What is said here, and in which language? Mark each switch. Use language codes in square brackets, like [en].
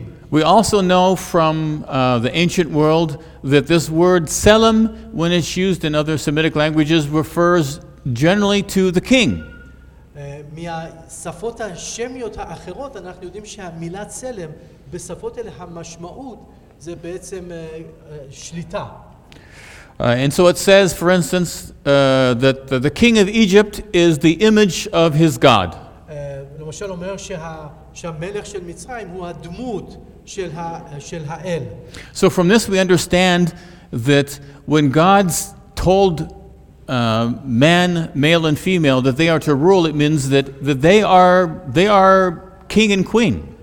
[en] We also know from the ancient world that this word selim, when it's used in other Semitic languages, refers generally to the king. [he] מהשפות השמיות האחרות אנחנו יודעים שהמילה צלם בשפות אלה המשמעות זה בעצם שליטה. [en] And so it says, for instance, that the king of Egypt is the image of his god. [he] למשל אומר שהמלך של מצרים הוא הדמות של האל. [en] So from this we understand that when God told man, male and female, that they are to rule, it means that they are king and queen.